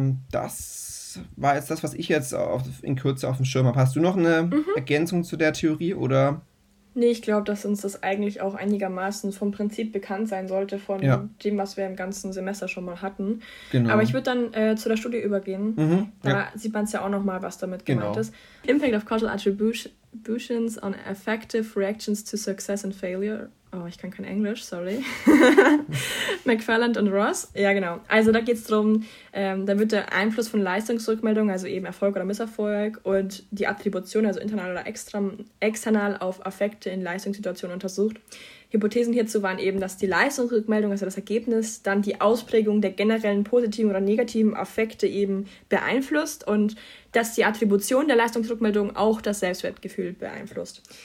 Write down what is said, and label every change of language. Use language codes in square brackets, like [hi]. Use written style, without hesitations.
[de] Das war jetzt das, was ich jetzt in Kürze auf dem Schirm habe. Hast du noch eine Ergänzung zu der Theorie, oder? Nee, ich glaube, dass uns das eigentlich auch einigermaßen vom Prinzip bekannt sein sollte, von dem, was wir im ganzen Semester schon mal hatten. Genau. Aber ich würde dann zu der Studie übergehen. Mhm, da sieht man es ja auch nochmal, was damit gemeint ist. [en] Impact of causal attributions on affective reactions to success and failure. [de] Oh, ich kann kein Englisch, sorry. McFarland und Ross. Ja, genau. Also da geht es darum, da wird der Einfluss von Leistungsrückmeldungen, also eben Erfolg oder Misserfolg, und die Attribution, also internal oder external, auf Affekte in Leistungssituationen untersucht. Hypothesen hierzu waren eben, dass die Leistungsrückmeldung, also das Ergebnis, dann die Ausprägung der generellen positiven oder negativen Affekte eben beeinflusst und dass die Attribution der Leistungsrückmeldung auch das Selbstwertgefühl beeinflusst.